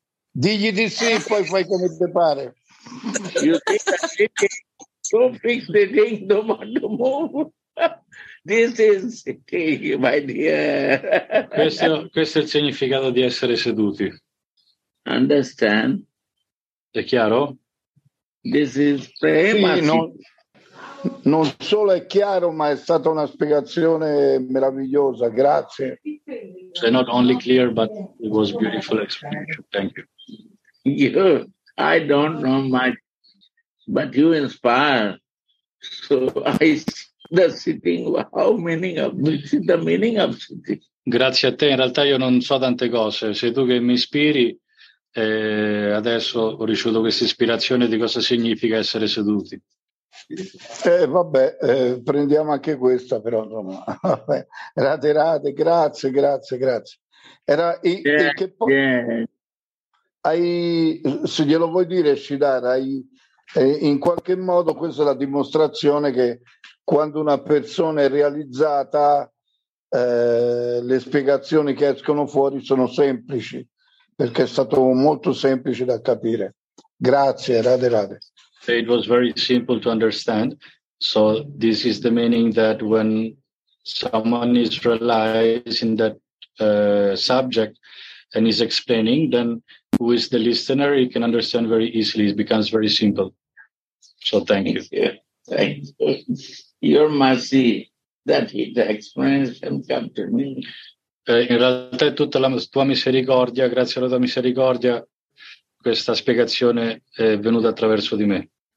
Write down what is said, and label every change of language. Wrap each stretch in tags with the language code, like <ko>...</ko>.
<it>Digli di sì, poi fai come ti pare.</it> <en>You think that it is so fixed the thing, don't want to move. This is sitting, my dear.</en> <it>Questo è il significato di essere seduti.</it> <en>Understand?</en> <it>È chiaro?</it> <en>This is prema.</en> <it>Sì, non solo è chiaro, ma è stata una spiegazione meravigliosa. Grazie.</it> <en>So not only clear, but it was beautiful explanation. Thank you. I don't know much, but you inspire. So I see the sitting. How meaning of the meaning of sitting?</en> <it>Grazie a te. In realtà io non so tante cose. Sei tu che mi ispiri. Adesso ho ricevuto questa ispirazione di cosa significa essere seduti. Prendiamo anche questa, però insomma, rate, grazie. Era se glielo vuoi dire, Shidara, in qualche modo questa è la dimostrazione che quando una persona è realizzata, le spiegazioni che escono fuori sono semplici, perché è stato molto semplice da capire. Grazie, rate.</it> <en>It was very simple to understand. So this is the meaning that when someone is realized in that subject and is explaining, then who is the listener, he can understand very easily. It becomes very simple. So thank you. Your mercy that the explanation come to me.</en> <it>In realtà è tutta la tua misericordia, grazie alla tua misericordia, questa spiegazione è venuta attraverso di me.</it>